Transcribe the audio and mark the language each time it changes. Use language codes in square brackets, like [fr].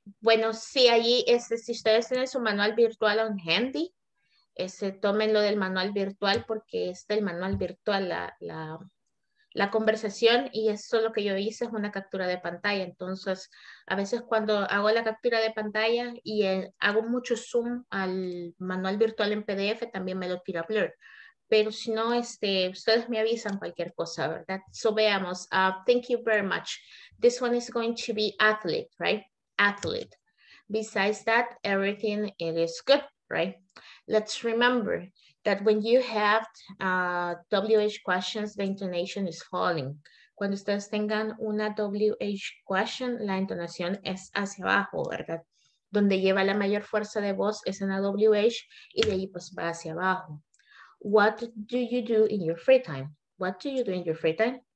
[es] Bueno, sí, allí, si ustedes tienen su manual virtual [en] on handy, [es] tómenlo del manual virtual porque es del manual virtual la conversación y eso lo que yo hice es una captura de pantalla. Entonces, a veces cuando hago la captura de pantalla y hago mucho zoom al manual virtual en PDF, también me lo tira blur. Pero si no, ustedes me avisan cualquier cosa, ¿verdad? [en] So, [es] veamos. [en] Thank you very much. This one is going to be athlete, right? Athlete. Besides that, everything it is good, right? Let's remember that when you have WH questions, the intonation is falling. [es] Cuando ustedes tengan una WH question, la entonación es hacia abajo, ¿verdad? Donde lleva la mayor fuerza de voz es en la WH y de ahí pues va hacia abajo. [en] What do you do in your free time? What do you do in your free time?